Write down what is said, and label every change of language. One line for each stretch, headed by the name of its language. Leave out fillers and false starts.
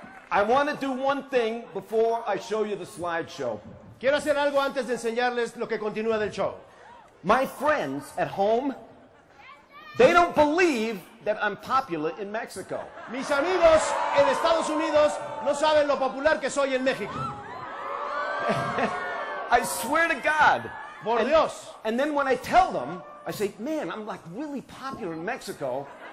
English: I want to do one thing before I show you the slideshow.
Spanish: Quiero hacer algo antes de enseñarles lo que continúa del show.
English: My friends at home, they don't believe that I'm popular in Mexico.
Spanish: Mis amigos en Estados Unidos no saben lo popular que soy en México.
English: I swear to God.
Spanish: Por Dios.
English: And then when I tell them, I say, man, I'm like really popular in Mexico.